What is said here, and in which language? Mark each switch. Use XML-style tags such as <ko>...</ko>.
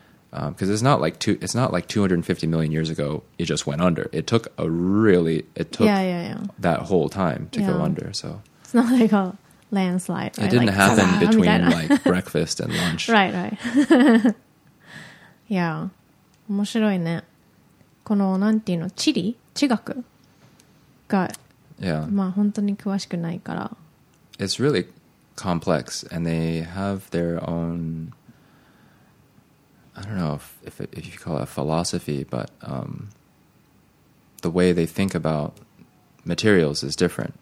<en>Because it's not like it's not like 250 million years ago it just went under. It took a really that whole time to go under. So it's not like a landslide. Right? It didn't happen between like breakfast and lunch. Right. Yeah.</en> <ja>面白いね。この、なんていうの、地理、地学が</ja> <en>It's really complex, and they have their own, I don't know if you call it a philosophy, but the way they think about materials is different.</en>